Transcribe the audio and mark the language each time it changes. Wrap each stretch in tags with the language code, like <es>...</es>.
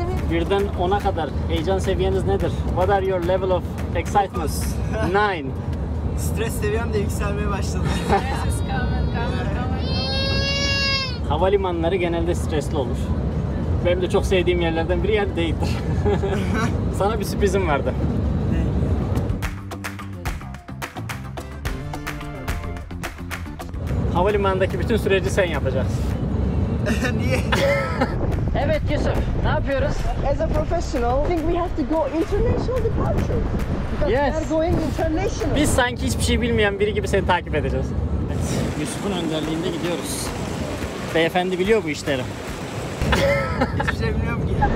<tr>Birden 10'a kadar heyecan seviyeniz nedir?</tr> <en>What are your level of excitement? 9.</en> <tr>Stres seviyem de yükselmeye başladı. Havalimanları genelde stresli olur. Benim de çok sevdiğim yerlerden biri yer değildir. Sana bir sürprizim vardı. Havalimanındaki bütün süreci sen yapacaksın. Niye? Evet Yusuf, ne yapıyoruz?</tr> <en>As a professional, I think we have to go international departure. Yes. We are going international.</en> <tr>Biz sanki hiçbir şey bilmeyen biri gibi seni takip edeceğiz. Evet, Yusuf'un önderliğinde gidiyoruz. Beyefendi biliyor bu işleri. Hiçbir şey bilmiyorum ki.</tr>